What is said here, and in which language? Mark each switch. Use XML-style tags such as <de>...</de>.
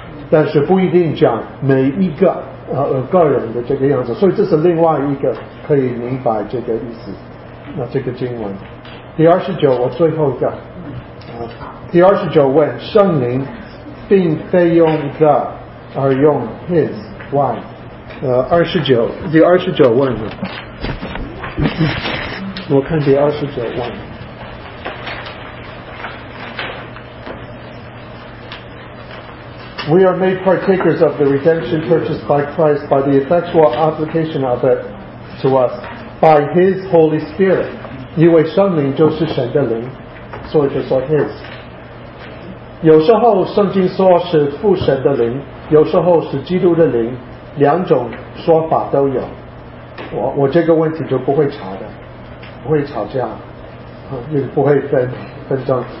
<zh>但是不一定讲每一个个人的这个样子，所以这是另外一个可以明白这个意思。那这个经文第二十九，我最后一个第二十九问，圣灵并非用 the 而用 his， why？二十九，第二十九问了，我看第二十九问，</zh> <en>We are made partakers of the redemption purchased by Christ by the effectual application of it to us by His Holy Spirit.</en> <zh>因为圣灵就是神的灵，所以就说 His。有时候圣经说是父神的灵，有时候是基督的灵，两种说法都有。我这个问题就不会吵的，不会吵架，也不会纷争。</zh>